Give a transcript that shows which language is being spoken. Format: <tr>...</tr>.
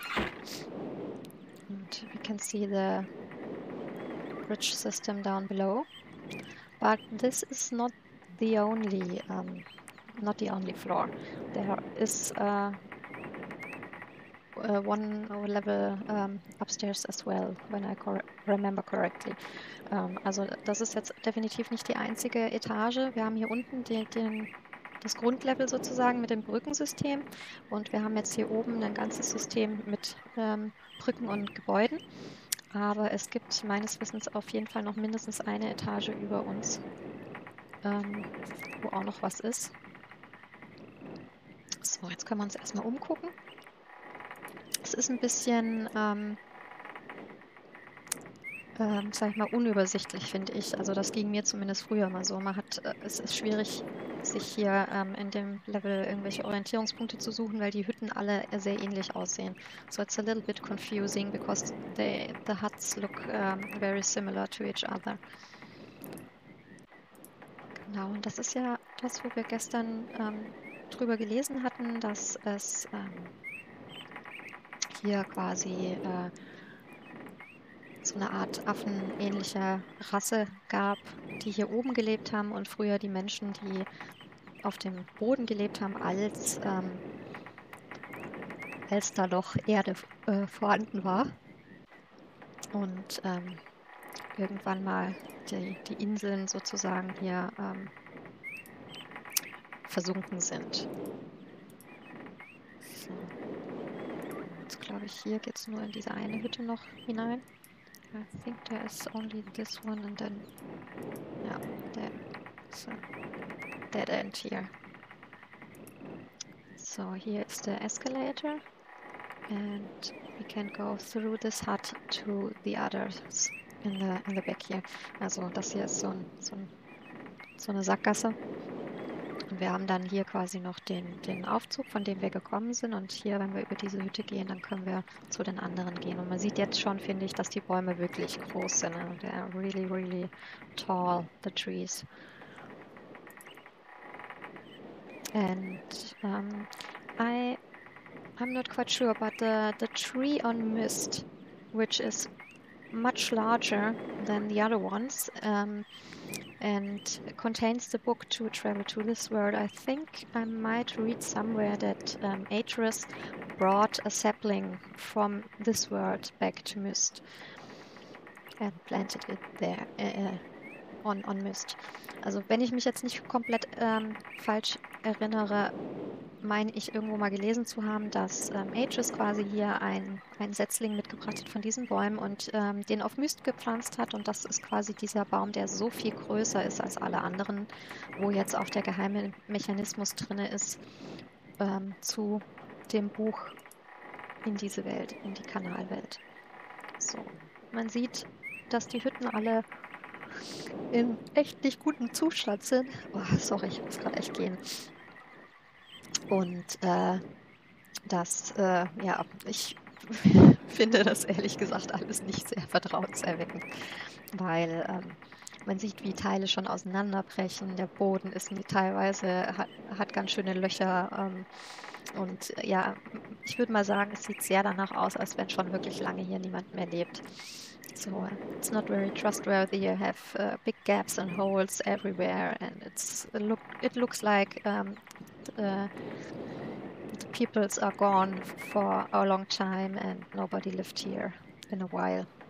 <en>And we can see the bridge system down below. But this is not the only floor. There is one level upstairs as well, when I remember correctly.</en> <de>Also das ist jetzt definitiv nicht die einzige Etage. Wir haben hier unten das Grundlevel sozusagen mit dem Brückensystem, und wir haben jetzt hier oben ein ganzes System mit Brücken und Gebäuden. Aber es gibt meines Wissens auf jeden Fall noch mindestens eine Etage über uns, wo auch noch was ist. So, jetzt können wir uns erstmal umgucken. Es ist ein bisschen, sag ich mal, unübersichtlich, finde ich. Also das ging mir zumindest früher mal so. Es ist schwierig sich hier in dem Level irgendwelche Orientierungspunkte zu suchen, weil die Hütten alle sehr ähnlich aussehen.</de> <en>So it's a little bit confusing because the huts look very similar to each other.</en> <de>Genau, und das ist ja das, wo wir gestern drüber gelesen hatten, dass es hier quasi so eine Art affenähnliche Rasse gab, die hier oben gelebt haben und früher die Menschen, die auf dem Boden gelebt haben, als als da noch Erde vorhanden war und irgendwann mal die Inseln sozusagen hier versunken sind. So. Jetzt glaube ich, hier geht es nur in diese eine Hütte noch hinein.</de> <en>I think there is only this one and then, yeah, there is a dead end here. So, here is the escalator and we can go through this hut to the others in the back here.</en> <de>Also, das hier ist so eine Sackgasse. Und wir haben dann hier quasi noch den Aufzug, von dem wir gekommen sind. Und hier, wenn wir über diese Hütte gehen, dann können wir zu den anderen gehen. Und man sieht jetzt schon, finde ich, dass die Bäume wirklich groß sind.</de> <en>Ne? They are really, really tall, the trees. And I'm not quite sure, but the tree on Mist, which is much larger than the other ones, and contains the book to travel to this world. I think I might read somewhere that Atreus brought a sapling from this world back to Myst and planted it there on Myst.</en> <de>Also wenn ich mich jetzt nicht komplett falsch erinnere, meine ich irgendwo mal gelesen zu haben, dass Atreus quasi hier ein Setzling mitgebracht hat von diesen Bäumen und den auf Myst gepflanzt hat. Und das ist quasi dieser Baum, der so viel größer ist als alle anderen, wo jetzt auch der geheime Mechanismus drin ist, zu dem Buch in diese Welt, in die Kanalwelt. So, man sieht, dass die Hütten alle in echt nicht gutem Zustand sind. Oh, sorry, ich muss gerade echt gehen. Und das, ja, ich finde das ehrlich gesagt alles nicht sehr vertrauenserweckend, weil man sieht, wie Teile schon auseinanderbrechen. Der Boden ist teilweise hat ganz schöne Löcher. Und ja, ich würde mal sagen, es sieht sehr danach aus, als wenn schon wirklich lange hier niemand mehr lebt.</de> <en>So, it's not very trustworthy. You have big gaps and holes everywhere, and it looks like the peoples are gone for a long time and nobody lived here in a while.</en>